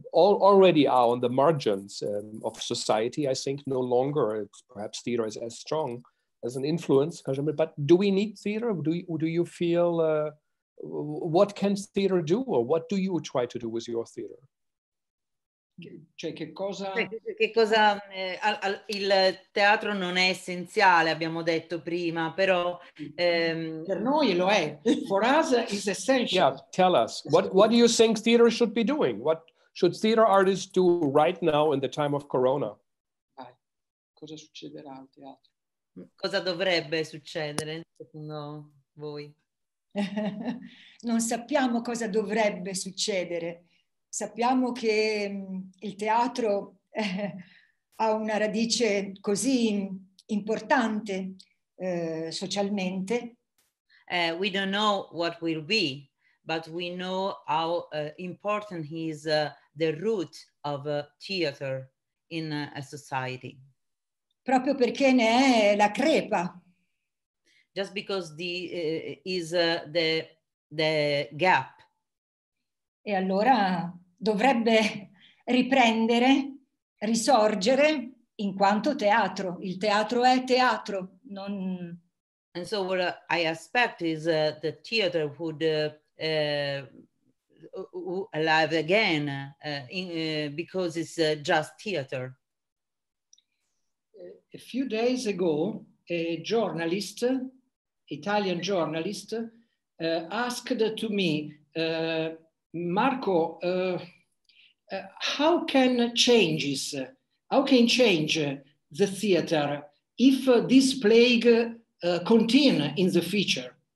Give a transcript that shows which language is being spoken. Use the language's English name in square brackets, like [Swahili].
[English] All already are on the margins of society, I think, no longer. It's, perhaps theater is as strong as an influence. But do we need theater? Do you feel, what can theater do? Or what do you try to do with your theater? [Italian] Cioè, che cosa... il teatro non è essenziale, abbiamo detto prima, però... Per noi lo è. [English] For us, it's essential. Yeah, tell us. What do you think theater should be doing? What should theater artists do right now in the time of Corona? [Italian] Vai. Cosa succederà al teatro? Cosa dovrebbe succedere, secondo voi? Non sappiamo cosa dovrebbe succedere. Sappiamo che il teatro ha una radice così importante socialmente. [English] We don't know what will be, but we know how important is the root of theater in a society. [Italian] Proprio perché ne è la crepa. [English] Just because the gap. [Italian] E allora dovrebbe riprendere, risorgere in quanto teatro. Il teatro è teatro, non... [English] And so what I expect is the theater would alive again because it's just theater. A few days ago, a journalist, Italian journalist, asked to me, Marco, how can change the theater if this plague continue in the future?